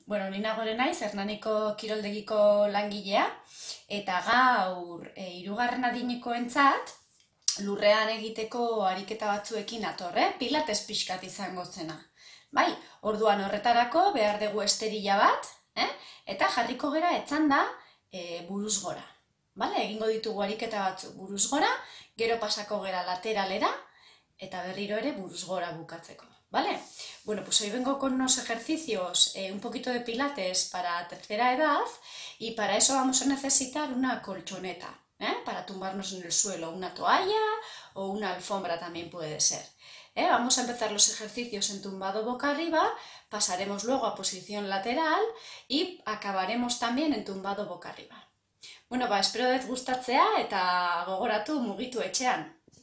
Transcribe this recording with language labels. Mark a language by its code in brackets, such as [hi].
[eu] Bueno, ni nagore naiz, Hernaniko kiroldegiko langilea, eta gaur hirugarren adinekoentzat lurrean egiteko ariketa batzuekin ator, Pilates pixkat izango zena. Bai, orduan horretarako behar dugu esterilla bat, eta jarriko gera etzanda buruz gora. Bale, egingo ditugu ariketa batzuk buruz gora, gero pasako gera lateralera, eta berriro ere buruz gora bukatzeko. [es] Vale, bueno, pues hoy vengo con unos ejercicios, un poquito de pilates para tercera edad y para eso vamos a necesitar una colchoneta, para tumbarnos en el suelo, una toalla o una alfombra también puede ser. Vamos a empezar los ejercicios en tumbado boca arriba, pasaremos luego a posición lateral y acabaremos también en tumbado boca arriba. [eu] Bueno, ba, espero dut gustatzea eta gogoratu mugitu etxean.